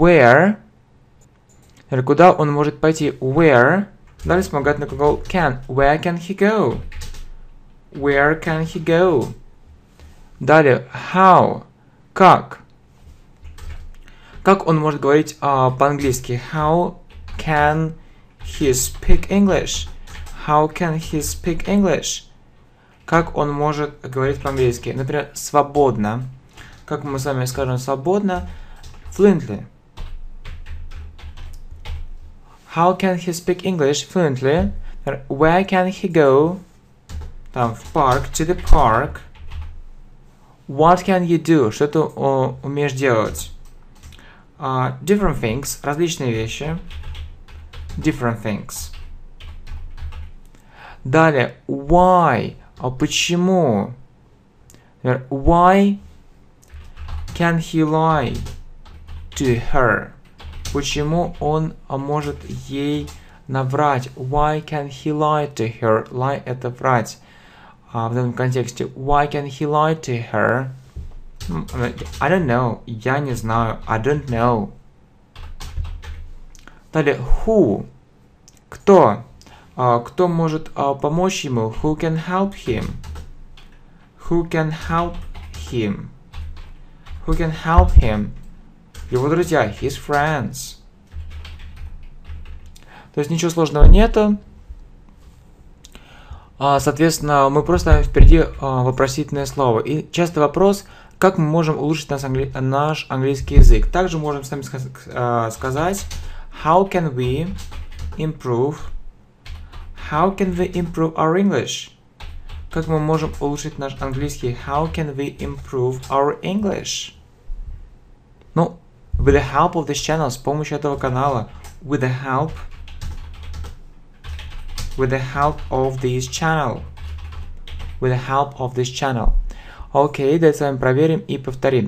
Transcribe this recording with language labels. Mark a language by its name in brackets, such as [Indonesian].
[Russian] Where, или куда он может пойти? Where, далее вспомогательный глагол can. [English] Where can he go? Where can he go? [Russian] Далее, how, как. Как он может говорить по-английски? [English] How can he speak English? How can he speak English? [Russian] Как он может говорить по-английски? Например, свободно. Как мы с вами скажем свободно? [English] Fluently. How can he speak English fluently? Where can he go? [Russian] Там, в парк, [English] to the park. What can you do? [Russian] Что ты умеешь делать? [English] Different things, [Russian] различные вещи. [English] Different things. [Russian] Далее, why, а почему? [English] Why can he lie to her? [Russian] Почему он может ей наврать? [English] Why can he lie to her? [Russian] Lie – это врать. В данном контексте, [English] why can he lie to her? I don't know. [Russian] Я не знаю. [English] I don't know. [Russian] Далее, who? Кто? Кто может помочь ему? [English] Who can help him? Who can help him? Who can help him? [Russian] Его друзья. [English] His friends. [Russian] То есть ничего сложного нету. Соответственно, мы просто ставим впереди вопросительное слово. И частый вопрос. Как мы можем улучшить наш английский язык? Также можем с вами сказать [English] How can we improve? How can we improve our English? [Russian] Как мы можем улучшить наш английский? [English] How can we improve our English? Ну, with the help of this channel, [Russian] с помощью этого канала. [English] With the help. With the help of this channel. With the help of this channel. [Russian] Okay, давайте с вами проверим и повторим.